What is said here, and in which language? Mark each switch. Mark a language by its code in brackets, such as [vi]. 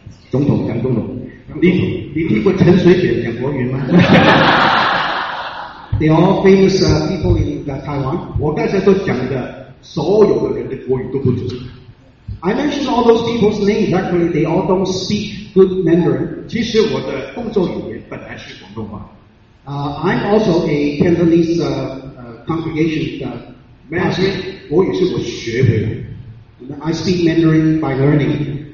[zh] 总统蒋总统, 你听过陈水扁讲国语吗? [en] They all famous people in Taiwan. [zh] 我刚才所讲的所有的人的国语都不准。 [en] I mentioned all those people's names, actually they all don't speak good Mandarin. [zh] 其实我的工作语言本来是广东话。 [en] I'm also a Cantonese congregation. [zh] Mandarin, 国语是我学回来的。 [en] I speak Mandarin by learning.